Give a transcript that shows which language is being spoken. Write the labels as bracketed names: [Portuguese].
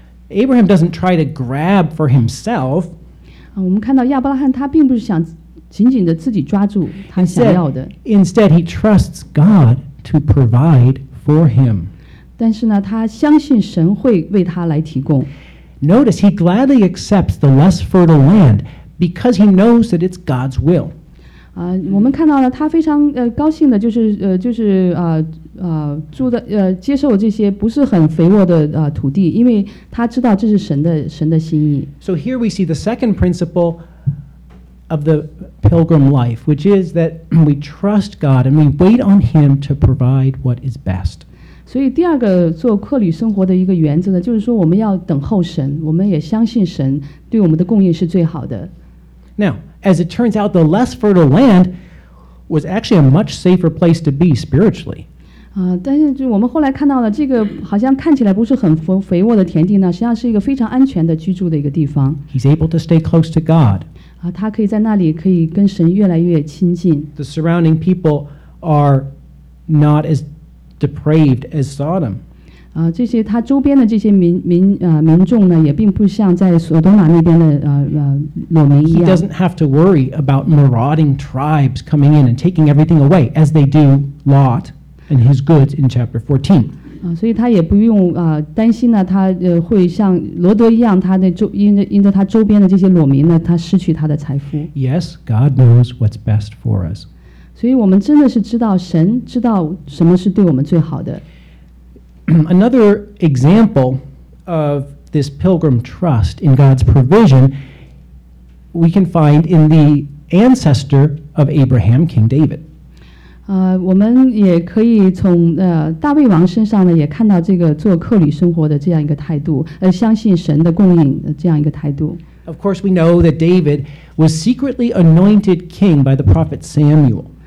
[English] Abraham doesn't try to grab for himself. [Chinese] 我们看到亚伯拉罕他并不是想。紧紧地自己抓住他想要的。 [English] Instead, he trusts God to provide for him. [Chinese] 但是呢，他相信神会为他来提供。 [English] Notice, he gladly accepts the less fertile land because he knows that it's God's will. [Chinese] 我们看到了他非常高兴的，接受这些不是很肥沃的土地，因为他知道这是神的心意。 [English] So here we see the second principle. Of the pilgrim life, which is that we trust God and we wait on Him to provide what is best. [Chinese] 所以第二个做客旅生活的一个原则呢，就是说我们要等候神，我们也相信神对我们的供应是最好的。 [English] Now, as it turns out, the less fertile land was actually a much safer place to be spiritually. [Chinese] 但是就我们后来看到了这个好像看起来不是很肥沃的田地呢，实际上是一个非常安全的居住的一个地方。 [English] He's able to stay close to God. [Chinese] 他可以在那里可以跟神越来越亲近。 [English] The surrounding people are not as depraved as Sodom. [Chinese] 这些他周边的这些 民众呢，也并不像在索多玛那边的裸民一样。 [English] He doesn't have to worry about marauding tribes coming in and taking everything away, as they do Lot and his goods in chapter 14. [Chinese] 所以他也不用担心呢，他会像罗德一样，他的因着他周边的这些裸民呢，他失去他的财富。 [English] Yes, God knows what's best for us. [Chinese] 所以我们真的是知道神知道什么是对我们最好的。 [English] Another example of this pilgrim trust in God's provision we can find in the ancestor of Abraham, King David. [Chinese] 我们也可以从大卫王身上呢也看到这个做客旅生活的这样一个态度，相信神的供应的这样一个态度。 [English] Of course, we know that David was secretly anointed king by the prophet Samuel.